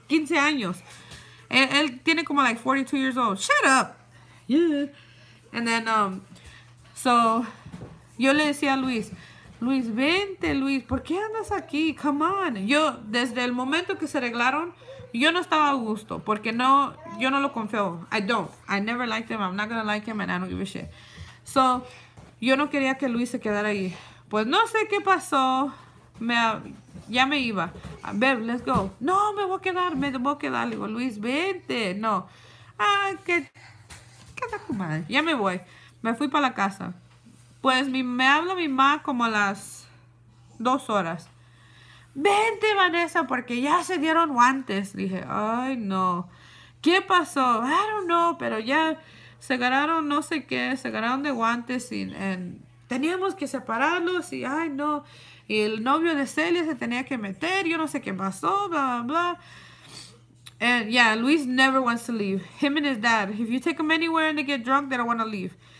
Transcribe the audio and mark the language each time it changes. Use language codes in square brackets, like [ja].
[es] 15 años. Él tiene como [en] like 42 years old. Shut up. Yeah. And then, so, [es] yo le decía a Luis, Luis, vente, Luis, ¿por qué andas aquí? [en] Come on. [es] Yo, desde el momento que se arreglaron, yo no estaba a gusto, porque no, yo no lo confío. [en] I don't. I never liked him. I'm not gonna like him, and I don't give a shit. [es] So, yo no quería que Luis se quedara ahí. Pues no sé qué pasó. Ya me iba. [en] Babe, let's go. [es] No, me voy a quedar. Me voy a quedar. Le digo, Luis, vente. No. Ah, que... Madre, ya me voy. Me fui para la casa. Pues me habla mi mamá como a las 2 horas. Vente, Vanessa, porque ya se dieron guantes. Dije, ay, no. ¿Qué pasó? [en] I don't know, [es] pero ya se agarraron no sé qué. Se agarraron de guantes y teníamos que separarlos. Y ay, no. Y el novio de Celia se tenía que meter. Yo no sé qué pasó, bla, bla, bla. [en] And yeah, Luis never wants to leave. Him and his dad. If you take them anywhere and they get drunk, they don't want to leave.